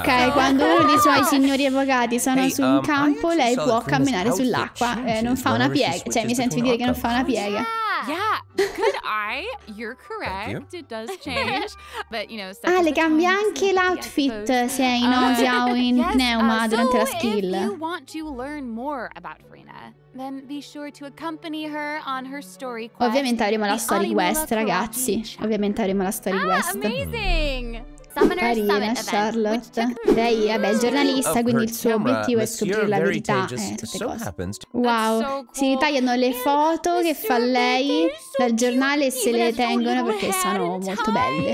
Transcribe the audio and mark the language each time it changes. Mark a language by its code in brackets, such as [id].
[it] ok, so quando uno dei suoi signori avvocati sono su un campo, lei può camminare sull'acqua. Non fa una piega. Cioè, mi sento dire che non fa una piega. [en] Yeah, could I? You're correct. It does change. But, you know, [it] ah, le cambia anche l'outfit se è in Osia o in Pneuma durante la skill. [en] If you want to learn more about Furina, then be sure to accompany her on her story quest. [it] Ovviamente avremo la story quest, ragazzi. Ovviamente avremo la story quest. [en] Amazing! Summoner Carina, Summit Charlotte. Event. [it] Lei, vabbè, è giornalista, quindi il suo obiettivo è scoprire la verità. Wow, si ritagliano le foto che fa lei dal giornale e se le tengono perché sono molto belle.